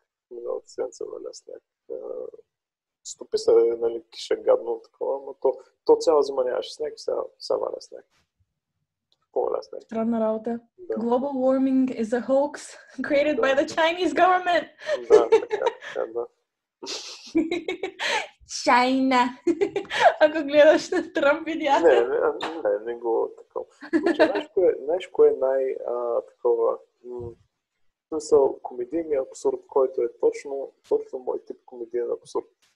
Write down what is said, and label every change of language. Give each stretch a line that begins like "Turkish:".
Bulgarian: Миналата седмица валя сняг. Ступи се, нали, киша гадно такова, но то цяла зима нямаше сняг, сега валя сняг. Странна работа. Да.
English: Global warming is a hoax created by the Chinese government.
Bulgarian: Да.
English: China.
Bulgarian: Ако гледаш на Тръмп видеята. Не го такова. Знаеш кое е най- такова... смисъл, комедийния абсурд, който е точно мой тип комедийен абсурд.